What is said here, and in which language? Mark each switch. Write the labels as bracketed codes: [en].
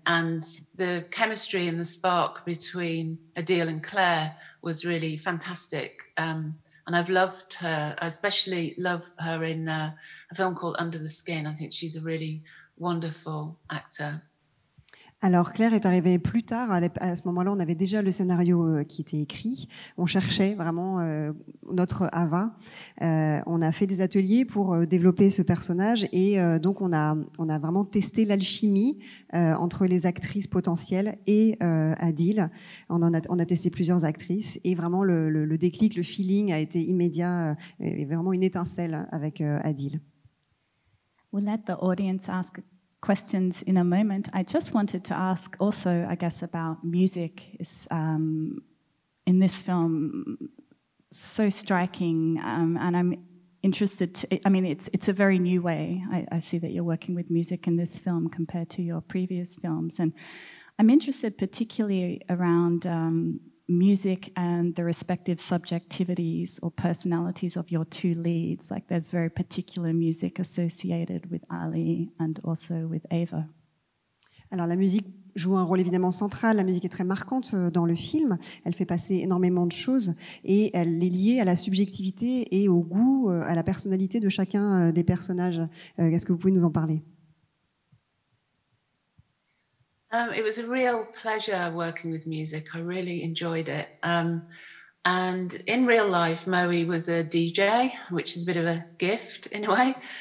[en] And the chemistry and the spark between Adil and Claire was really fantastic. And I've loved her. I especially love her in a film called Under the Skin. I think she's a really wonderful actor. [fr] Alors, Claire est arrivée plus tard. À ce moment-là, on avait déjà le scénario qui était écrit. On cherchait vraiment notre Ava. On a fait des ateliers pour développer ce personnage. Et donc, on a vraiment testé l'alchimie entre les actrices potentielles et Adil. On a testé plusieurs actrices. Et vraiment, le déclic, le feeling a été immédiat. Il y avait vraiment une étincelle avec Adil. [en] We'll let the audience ask questions in a moment. I just wanted to ask also, I guess, about music is in this film so striking, and I'm interested to, I mean, it's a very new way. I see that you're working with music in this film compared to your previous films, and I'm interested particularly around music and the respective subjectivities or personalities of your two leads. Like, there's very particular music associated with Ali and also with Ava. [fr] Alors, la musique joue un rôle évidemment central. La musique est très marquante dans le film. Elle fait passer énormément de choses et elle est liée à la subjectivité et au goût, à la personnalité de chacun des personnages. Est-ce que vous pouvez nous en parler? [en] It was a real pleasure working with music. I really enjoyed it. And in real life, Moe was a DJ, which is a bit of a gift in a way.